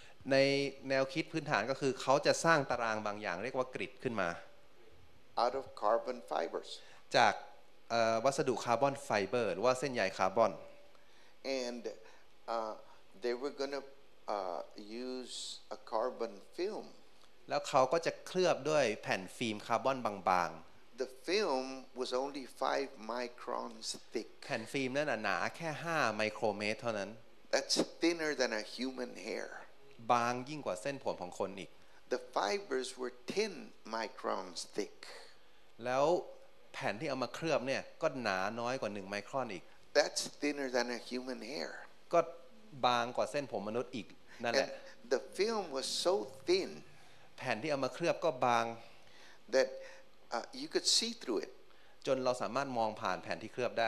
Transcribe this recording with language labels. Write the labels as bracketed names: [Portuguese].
[Thai] ในแนวคิดพื้นฐานก็คือเขาจะสร้างตารางบางอย่างเรียกว่ากริดขึ้นมา [English] out of carbon fibers [Thai] จากวัสดุคาร์บอนไฟเบอร์หรือว่าเส้นใยคาร์บอน [English] and they were going to use a carbon film [Thai] แล้วเขาก็จะเคลือบด้วยแผ่นฟิล์มคาร์บอนบาง [English] ๆ the film was only 5 microns thick [Thai] แผ่นฟิล์มนั้นหนาแค่5ไมโครเมตรเท่านั้น [English] that's thinner than a human hair [Thai] บางยิ่งกว่าเส้นผมของคนอีก [English] The fibers were 10 microns thick [Thai] แล้วแผ่นที่เอามาเคลือบเนี่ยก็หนาน้อยกว่า1ไมครอนอีก [English] That's thinner than a human hair [Thai] ก็บางกว่าเส้นผมมนุษย์อีกนั่นแหละ [English] The film was so thin [Thai] แผ่นที่เอามาเคลือบก็บาง [English] That you could see through it [Thai] จนเราสามารถมองผ่านแผ่นที่เคลือบได